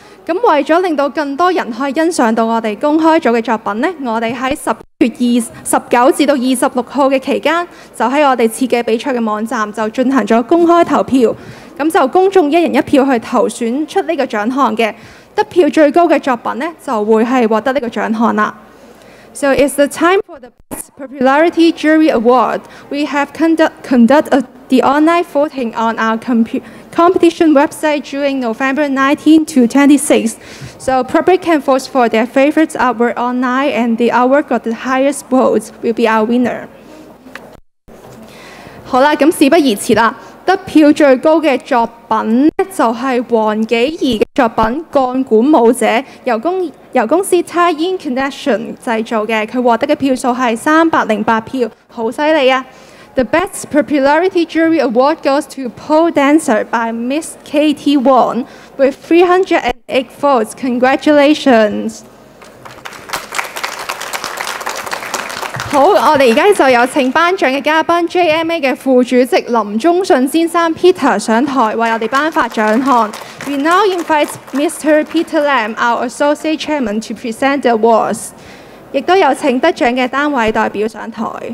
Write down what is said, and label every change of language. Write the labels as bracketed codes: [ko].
[yue] 咁為咗令到更多人可以欣賞到我哋公開咗嘅作品咧，我哋喺19至26號嘅期間，就喺我哋設計比賽嘅網站就進行咗公開投票，咁就公眾一人一票去投選出呢個獎項嘅，得票最高嘅作品咧就會係獲得呢個獎項啦。 [en] So it's the time for the Best Popularity Jury Award. We have conducted the online voting on our competition website during November 19 to 26. So public can vote for their favorite artwork online, and the artwork got the highest votes will be our winner. [yue] 好啦，咁事不宜遲啦，得票最高嘅作品就係黃紀儀嘅作品《鋼管舞者》，由公司 Tie-In Connection 製造嘅，佢獲得嘅票數係308票，好犀利啊！ [en] The Best Popularity Jury Award goes to Pole Dancer by Miss Katie Wong with 308 votes. Congratulations! [yue] 好，我哋而家就有请颁奖嘅嘉宾 JMA 嘅副主席林忠信先生 Peter 上台为我哋颁发奖项。 [en] We now invite Mr. Peter Lam, our Associate Chairman, to present the awards. [yue] 亦都有请得奖嘅单位代表上台。